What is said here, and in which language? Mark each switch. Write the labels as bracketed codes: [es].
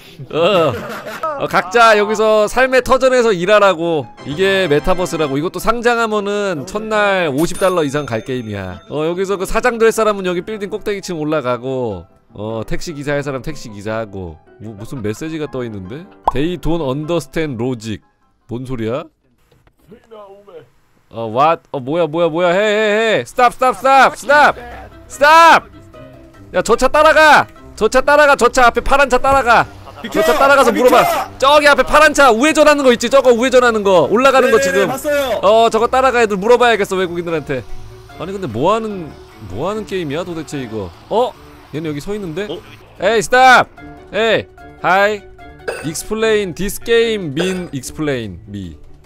[ko] 어. 어, 각자 여기서 삶의 터전에서 일하라고. 이게 메타버스라고. 이것도 상장하면은 첫날 $50 이상 갈 게임이야. 어, 여기서 그 사장 될 사람은 여기 빌딩 꼭대기층 올라가고, 어, 택시기사 할 사람 택시기사하고. 무슨 메시지가 떠있는데? [en] They don't understand logic. [ko] 뭔 소리야? 어, what? 어, 뭐야 뭐야 뭐야. 헤헤헤. [en] Stop stop stop stop stop. [ko] 야, 저 차 따라가. 저 차 따라가. 저 차 앞에 파란 차 따라가. 저 차 따라가서 물어봐. 저기 앞에 파란 차 우회전하는 거 있지? 저거 우회전하는 거 올라가는 거 지금. 어, 저거 따라가. 애들 물어봐야겠어, 외국인들한테. 아니, 근데 뭐하는 게임이야 도대체 이거. 어? 얘는 여기 서 있는데? 에이, stop. 에이, hi. [en] Explain this game mean explain me.